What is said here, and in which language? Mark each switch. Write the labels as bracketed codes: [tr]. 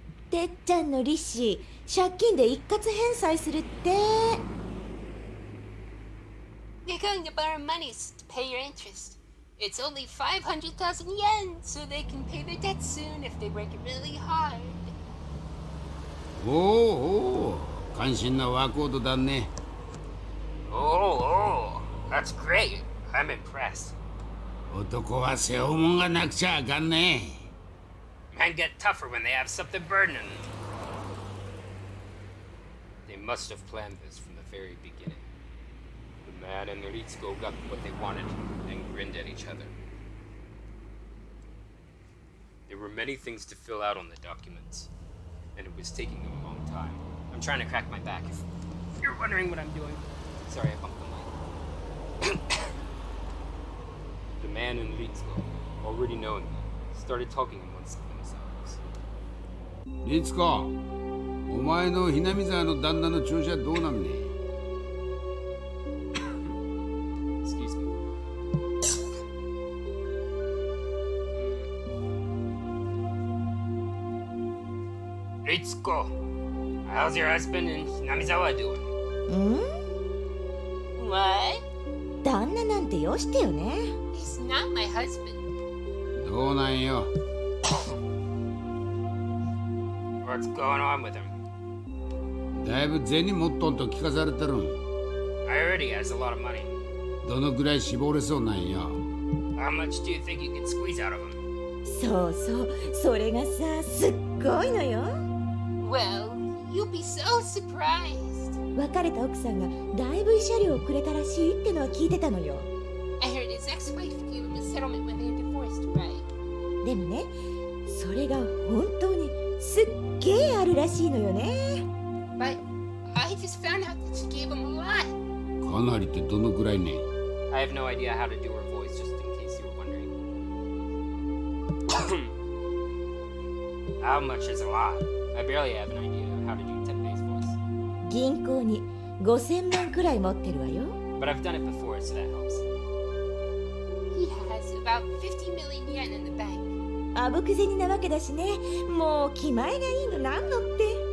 [ja] てっちゃんの利子、借金で一括返済するって。 [en] They're going to borrow money to pay your interest. It's only 500,000 yen, so they can pay their debt soon if they work really hard. [ja] おおおお、関心なワコードだね。 [en] おおおお、That's great. I'm impressed. [ja] 男は背負うもんがなくちゃあかんね。 [en] And get tougher when they have something burning. They must have planned this from the very beginning. The man and Ritsuko got what they wanted and grinned at each other. There were many things to fill out on the documents, and it was taking them a long time. I'm trying to crack my back. If you're wondering what I'm doing, sorry, I bumped the mic. The man and Ritsuko, already knowing them, started talking amongst themselves. [ja] リツコ、お前のひなみざわの旦那の調子はどうなんね。 [en] Excuse me. リツコ、How's your husband and ひなみざわ doing? ん What? [ja] 旦那なんてよしてよね。 [en] He's not my husband. [ja] どうなんよ。 [en] What's going on with him? [ja] だいぶ銭持っとんと聞かされてる。 [en] I already has a lot of money. [ja] どのぐらい絞れそうなんや。 [en] How much do you think you can squeeze out of him? [ja] そうそう、それがさ、すっごいのよ。 [en] Well, you'll be so surprised. [ja] 別れた奥さんがだいぶ慰謝料をくれたらしいってのは聞いてたのよ。 [en] I heard his ex-wife gave him a settlement when they divorced, right? [ja] でもね、それが本当にすっげーあるらしいのよね。 [en] But I just found out that she gave him a lot. [ja] かなりってどのくらいね。 [en] I have no idea how to do her voice, just in case you're wondering. How much is a lot? I barely have an idea how to do Tepe's voice. [ja] 銀行に5000万くらい持ってるわよ。 [en] But I've done it before, so that helps. He has about 50 million yen in the bank. [ja] あぶく銭なわけだしね。もう気前がいいのなんのって。